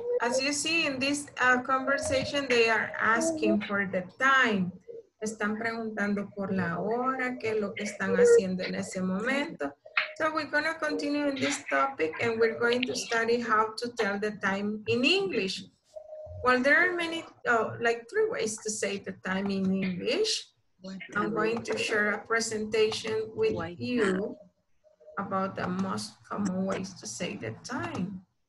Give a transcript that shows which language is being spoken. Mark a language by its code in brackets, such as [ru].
[en] As you see in this conversation, they are asking for the time. [es] Están preguntando por la hora, qué es lo que están haciendo en ese momento. [en] So we're going to continue in this topic and we're going to study how to tell the time in English. Well, there are many, like three ways to say the time in English. I'm going to share a presentation with you about the most common ways to say the time.